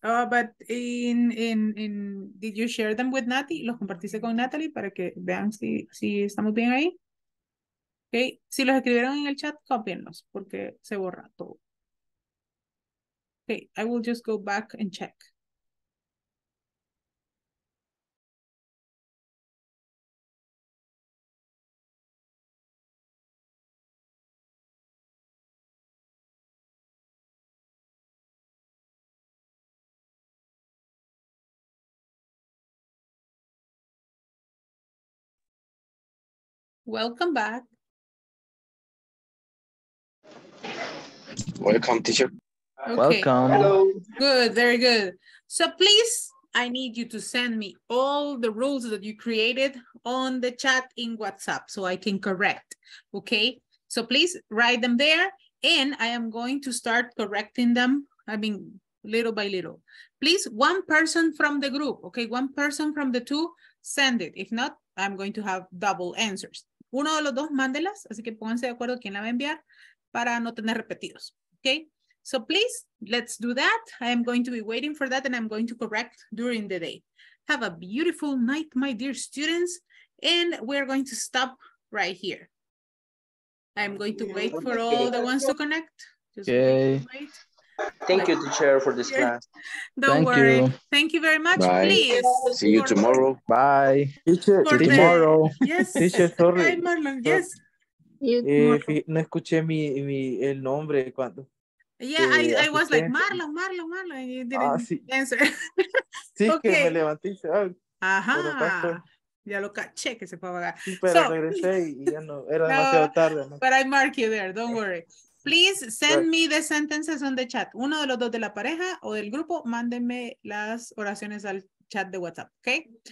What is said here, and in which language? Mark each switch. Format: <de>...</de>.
<en>Oh, but in did you share them with Nati?</en> <es>¿Los compartiste con Natalie para que vean si estamos bien ahí? Ok, si los escribieron en el chat, cópienlos, porque se borra todo.</es> <en>Okay, I will just go back and check. Welcome back. Welcome, teacher. Okay. Welcome. Hello. Good, very good. So please, I need you to send me all the rules that you created on the chat in WhatsApp so I can correct, okay? So please write them there, and I am going to start correcting them, I mean, little by little. Please, one person from the group, okay? One person from the two, send it. If not, I'm going to have double answers.</en> <es>Uno de los dos, mándelas, así que pónganse de acuerdo quién la va a enviar para no tener repetidos, okay?</es> <en>So please, let's do that. I am going to be waiting for that, and I'm going to correct during the day. Have a beautiful night, my dear students, and we're going to stop right here. I'm going to wait for all the ones to connect. Just okay. Wait. Thank you, teacher, for this class. Don't worry. Thank you very much. Bye. Please. See you tomorrow. Bye. Teacher, for tomorrow. Yes. Teacher, sorry. Bye, Marlon. Yes.</en> <es>No escuché mi el nombre cuando.</es> <en>Yeah, I was like, Marlon. You didn't answer.</en> <es>Sí, okay. Que me levanté. Ay, ajá. Ya lo caché que se fue a vagar. Sí, pero regresé y ya no. Era demasiado tarde. ¿No?</es> <en>But I mark you there. Don't worry. Please send me the sentences on the chat.</en> <es>Uno de los dos de la pareja o del grupo, mándenme las oraciones al chat de WhatsApp, okay?</es>